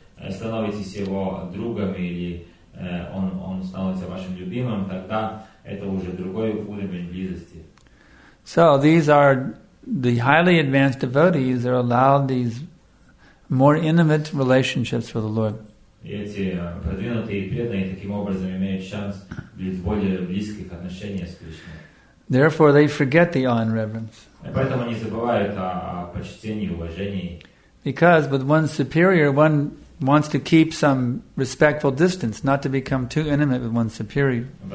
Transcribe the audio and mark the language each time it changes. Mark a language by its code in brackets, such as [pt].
[ru] Становитесь его другом или он становится вашим любимым, тогда это уже другой уровень близости. [en] So these are the highly advanced devotees are allowed these more intimate relationships with the Lord. [ru] Эти продвинутые преданные таким образом имеют шанс быть более близких отношений с Кришной. [en] Therefore they forget the awe and reverence. [ru] Поэтому они забывают о почтении, уважении. [en] Because with one superior, one wants to keep some respectful distance, not to become too intimate with one superior.